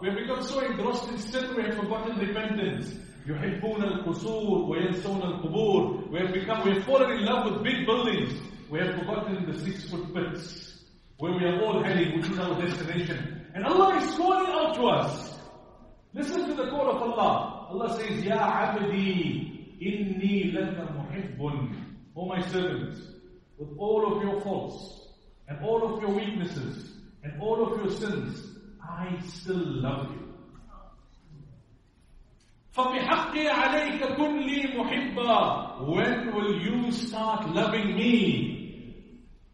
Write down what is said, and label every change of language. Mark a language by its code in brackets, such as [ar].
[en] We have become so engrossed in sin, we have forgotten repentance. [ar] يُحِبُّونَ الْقُسُورِ وَيَنْسَوْنَ الْقُبُورِ. [en] We have fallen in love with big buildings. We have forgotten the 6-foot pits where we are all heading, which is our destination. And Allah is calling out to us. Listen to the call of Allah. Allah says, [ar] يَا عَبْدِي إِنِّي لَكَ مُحِبٌّ. [en] O my servant, with all of your faults, and all of your weaknesses, and all of your sins, I still love you. [ar] فَبِحَقِّي عَلَيْكَ كُنْ لِي مُحِبًّا. [en] When will you start loving me?